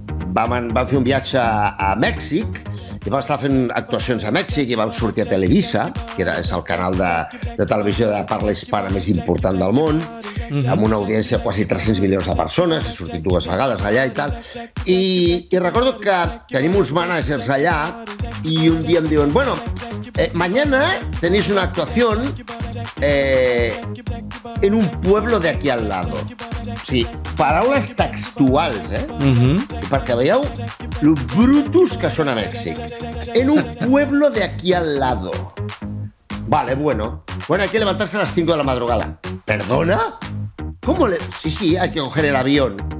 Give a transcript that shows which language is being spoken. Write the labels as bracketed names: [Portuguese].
[Catalan] Vam fer un viatge a Mèxic i vam estar fent actuacions a Mèxic i vam sortir a Televisa, que és el canal de televisió de parla hispana més important del món, amb una audiència de quasi 300 milions de persones. He sortit dues vegades allà i tal. I recordo que tenim uns managers allà i un dia em diuen, bueno, [Spanish] mañana tenéis una actuación en un pueblo de aquí al lado. [Catalan] O sigui, paraules textuals, eh? Perquè veieu lo brutos que són a Mèxic. [Spanish] En un pueblo de aquí al lado. Vale, bueno. Bueno, hay que levantarse a las 5 de la madrugada. ¿Perdona? ¿Cómo le...? Sí, sí, hay que coger el avión.